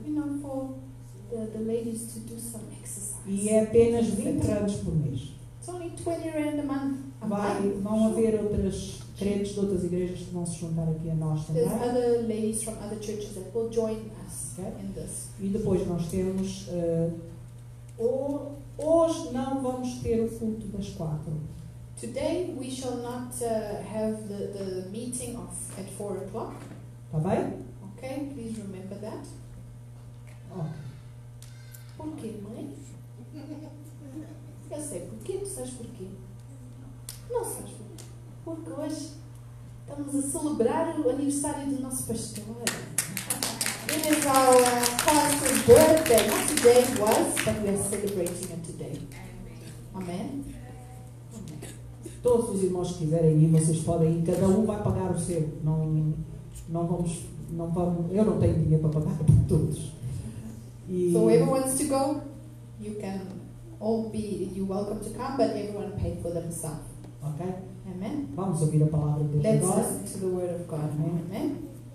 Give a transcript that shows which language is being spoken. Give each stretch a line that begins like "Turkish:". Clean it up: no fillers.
English: You know, for the ladies to do some exercise.
Portuguese: E é apenas 20 rands por mês.
English: It's only 20 rand a month.
Portuguese: Vão haver outras crentes de outras igrejas que vão se juntar aqui a nós também.
English: There's other ladies from other churches that will join us. Okay.
Portuguese: E depois nós temos hoje não vamos ter o culto das 4.
English: Today we shall not have the meeting of at 4 o'clock.
Portuguese: Tá bem?
English: Okay, please remember that. Okay.
Portuguese: Por quê, mãe? Eu sei porquê, tu sabes porquê? Não sabes porquê? Porque hoje estamos a celebrar o aniversário do nosso pastor.
English: It is our pastor's birthday. Not today it was, but we are celebrating it today. Amen.
Portuguese: Todos os irmãos que quiserem ir, vocês podem ir. Cada um vai pagar o seu. Não vamos. Eu não tenho dinheiro para pagar por todos.
English: E so whoever wants to go, you can all be. You're welcome to come, but everyone pay for themselves. Okay. Amen.
Portuguese: Vamos ouvir a palavra de Deus.
English: Let's listen to the word of God. Amen.